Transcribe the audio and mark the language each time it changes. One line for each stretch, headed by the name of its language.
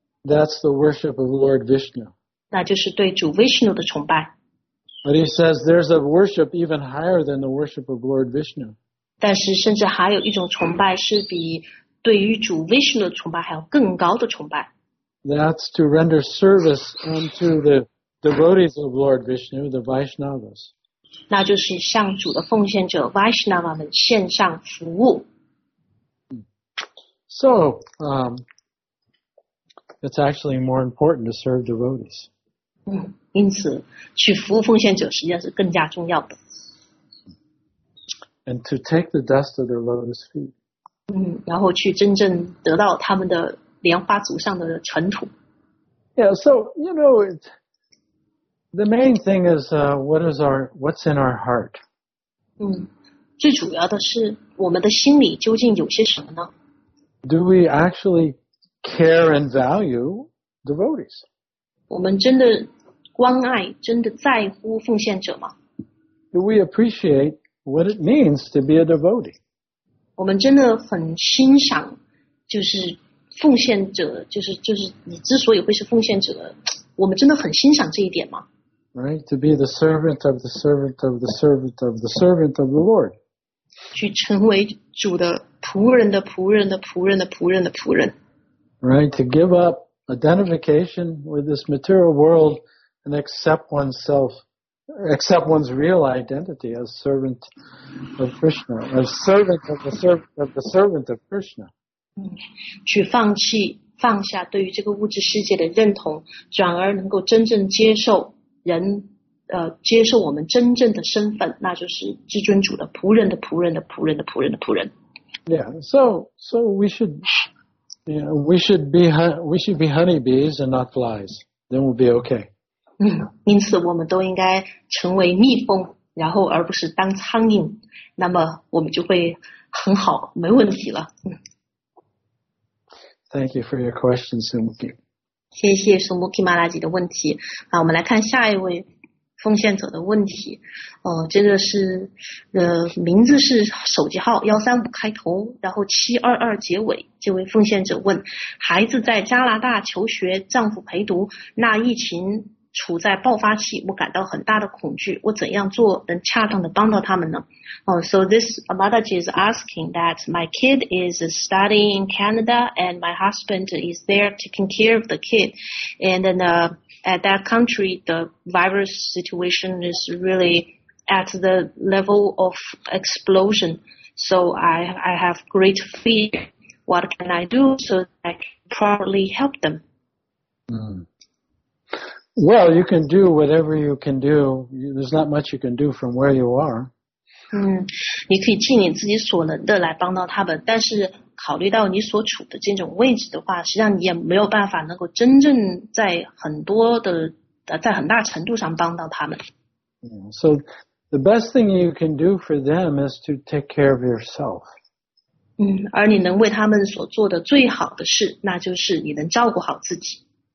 English: That's the worship of Lord Vishnu.
Chinese: 那就是对主 Vishnu 的崇拜。
English: But he says there's a worship even higher than the worship of Lord Vishnu.
Chinese: 但是甚至还有一种崇拜是比对于主 Vishnu 的崇拜还有更高的崇拜。
English: That's to render service unto the devotees of Lord Vishnu, the Vaishnavas.
Chinese: 那就是向主的奉献者 Vaishnava 们献上服务。
English: So, it's actually more important to serve devotees.
Chinese: 因此去服务奉献者实际上是更加重要的。
English: And to take the dust of their lotus feet.
Chinese: 然后去真正得到他们的莲花足上的尘土。
English: Yeah, so, you know, the main thing is, what's in our heart?
Chinese: 最主要的是我们的心里究竟有些什么呢？
English: Do we actually care and value devotees?
Chinese: 我们真的关爱，真的在乎奉献者吗？
English: Do we appreciate what it means to be a devotee?
Chinese: 我们真的很欣赏，就是奉献者，就是你之所以会是奉献者，我们真的很欣赏这一点吗？
English: Right, to be the servant of the servant of the servant of the servant of the Lord.
Chinese: 去成为主的仆人的仆人的仆人的仆人的仆人。
English: Right, to give up identification with this material world and accept one's real identity as servant of Krishna, as servant of the servant of the servant of Krishna.
Chinese: 去放下对于这个物质世界的认同，转而能够真正接受。人接受我们真正的身份，那就是至尊主的仆人的仆人的仆人的仆人的仆人。
English: Yeah, so we should be honeybees and not flies. Then we'll be okay.
Chinese: 因此我们都应该成为蜜蜂，然后而不是当苍蝇，那么我们就会很好，没问题了。
English: Thank you for your question, Sumuki.
Chinese: 谢谢苏穆基马拉吉的问题。好，我们来看下一位奉献者的问题。这个是名字是手机号135开头，然后722结尾。这位奉献者问：孩子在加拿大求学，丈夫陪读，那疫情处在爆发期，我感到很大的恐惧，我怎样做能恰当的帮到他们呢？
English: So this Madhaji is asking that my kid is studying in Canada and my husband is there taking care of the kid. And then, at that country, the virus situation is really at the level of explosion. So I have great fear. What can I do so I can properly help them? Well, you can do whatever you can do. There's not much you can do from where you are.
Chinese: 你可以尽你自己所能的来帮到他们，但是考虑到你所处的这种位置的话，实际上你也没有办法能够真正在很多的在很大程度上帮到他们。
English: So the best thing you can do for them is to take care of yourself.
Chinese: 而你能为他们所做的最好的事，那就是你能照顾好自己。